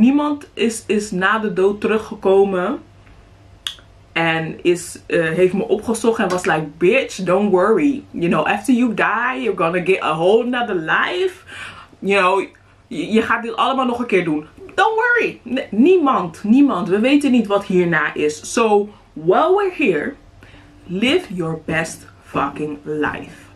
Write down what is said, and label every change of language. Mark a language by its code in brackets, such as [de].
[nl] Niemand is na de dood teruggekomen en heeft me opgezocht en was [en] like, bitch, don't worry. You know, after you die, you're gonna get a whole nother life. You know, [nl] je gaat dit allemaal nog een keer doen. [en] Don't worry. [nl] Niemand. We weten niet wat hierna is. [en] So, while we're here, live your best fucking life.